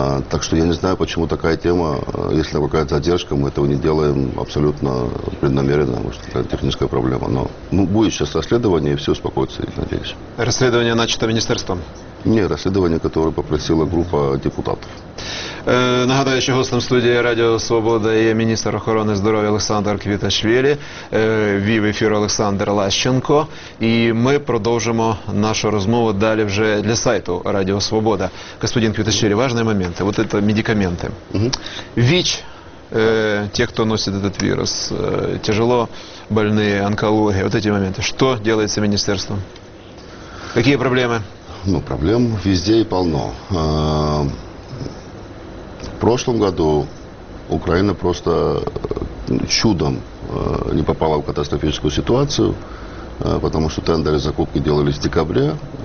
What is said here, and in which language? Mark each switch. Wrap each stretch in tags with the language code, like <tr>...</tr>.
<ru>Так что я не знаю, почему такая тема, если какая-то задержка, мы этого не делаем абсолютно преднамеренно, может, какая-то техническая проблема. Но будет сейчас расследование, и все успокоится, я надеюсь. Расследование начато министерством? Нет, расследование, которое попросила группа депутатов.</ru> <uk>Нагадаю, що гостем студії Радіо Свобода є міністр охорони здоров'я Олександр Квіташвілі, вів ефір Олександр Лащенко. І ми продовжимо нашу розмову далі вже для сайту Радіо Свобода.</uk> <ru>Господин</ru> <uk>Квіташвілі, важливі моменти.</uk> <ru>Вот это медикаменты.</ru> <uk>ВІЧ,</uk> <ru>те, кто носит этот вирус, тяжело больные, онкология, вот эти моменты. Что делается министерством? Какие проблемы? Ну, проблем везде и полно. В прошлом году Украина просто чудом не попала в катастрофическую ситуацию, потому что тендеры закупки делались в декабре.</ru>